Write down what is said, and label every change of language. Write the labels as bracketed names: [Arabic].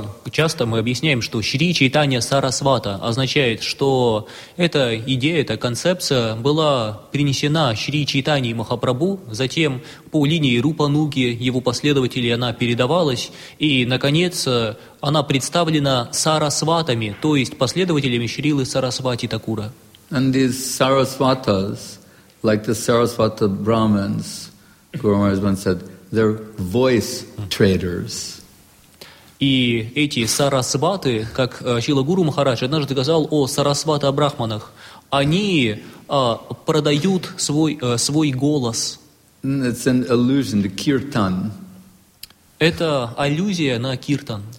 [Russian] Часто мы объясняем, что Шри Чайтанья Сарасвата означает, что эта идея, эта концепция была принесена Шри Чайтанье Махапрабху, затем по линии Рупануги, его последователей, она передавалась, и, наконец, она представлена Сарасватами, то есть последователями Шрилы Сарасвати Такура. [English] And these Sarasvatas, like the Sarasvata Brahmins, Guru Maharaj once said, they're voice traders. [Russian] И эти сарасваты, как Шрила Гуру Махарадж однажды сказал о сарасвата-брахманах, они продают свой голос. [English] It's an allusion to kirtan. [Russian] Это аллюзия на киртан.